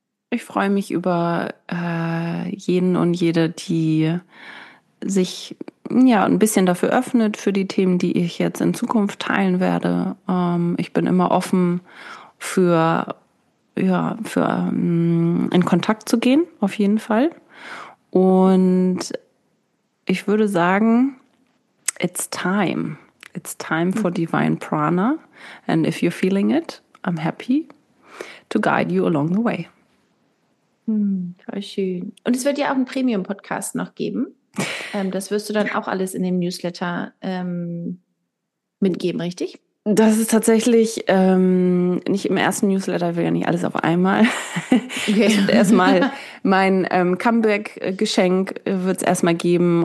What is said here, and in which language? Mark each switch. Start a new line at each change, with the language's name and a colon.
German: Ich freue mich über jeden und jede, die sich ein bisschen dafür öffnet, für die Themen, die ich jetzt in Zukunft teilen werde. Ich bin immer offen für in Kontakt zu gehen, auf jeden Fall. Und ich würde sagen,
English: it's time. It's time for divine prana. And if you're feeling it, I'm happy to guide you along the way.
German: Voll schön. Und es wird ja auch einen Premium-Podcast noch geben. Das wirst du dann auch alles in dem Newsletter mitgeben, richtig? Das ist tatsächlich nicht im ersten Newsletter, ich will ja nicht alles auf einmal. Okay. Erstmal mein Comeback-Geschenk wird es erstmal geben.